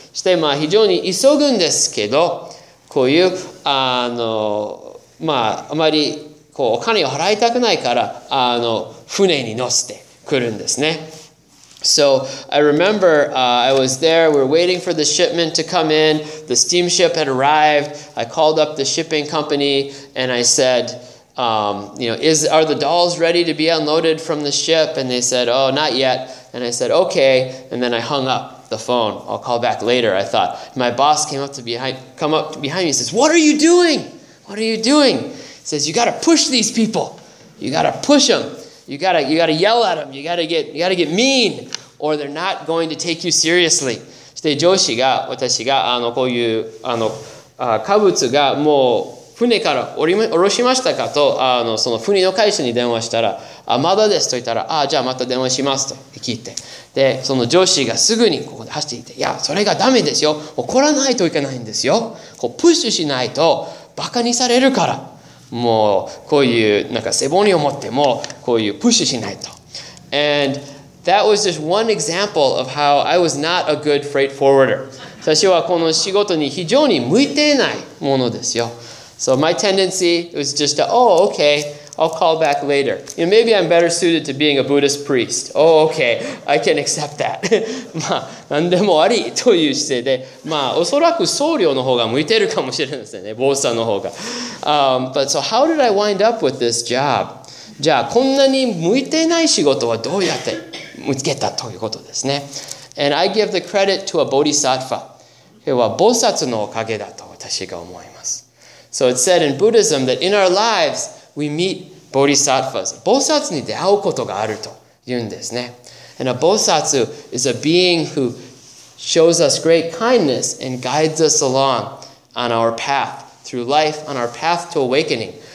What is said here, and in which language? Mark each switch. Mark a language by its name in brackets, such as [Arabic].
[Japanese] して、非常に急ぐんですけど、こういう、あまりお金を払いたくないから、船に乗せてくるんですね。 [English] So I remember I was there, we were waiting for the shipment to come in, the steamship had arrived, I called up the shipping company and I said, are the dolls ready to be unloaded from the ship? And they said, oh, not yet. And I said, okay. And then I hung up the phone. I'll call back later, I thought. My boss came up behind me and says, what are you doing? What are you doing? He says, you got to push these people. You got to push them. You got to yell at them. You got to get mean, or they're not going to take you seriously. [Japanese] そして上司が私がこういう貨物がもう 船から降ろしましたかと、その船の会社に電話したら、あ、まだですと言ったら、あ、じゃあまた電話しますと聞いて。で、その上司がすぐにここで走っていて、いや、それがダメですよ。怒らないといけないんですよ。こう、プッシュしないと、バカにされるから。もう、こういう、なんか背骨を持っても、こういう、プッシュしないと。 [English] And that was just one example of how I was not a good freight forwarder. [Japanese] 私はこの仕事に非常に向いていないものですよ。 [English] So my tendency was just to, oh, okay, I'll call back later. You know, maybe I'm better suited to being a Buddhist priest. Oh, okay, I can accept that. [Japanese] まあ、なんでもありという姿勢で、まあ、おそらく僧侶の方が向いてるかもしれませんね、坊さんの方が。 [English] But so how did I wind up with this job? [Japanese] じゃあ、こんなに向いてない仕事はどうやって見つけたということですね。 [English] And I give the credit to a bodhisattva. [Japanese] 要は菩薩のおかげだと私が思います。 [English] So it's said in Buddhism that in our lives, we meet bodhisattvas. [Japanese] 菩薩に出会うことがあると言うんですね。 [English] And a bodhisattva is a being who shows us great kindness and guides us along on our path through life, on our path to awakening.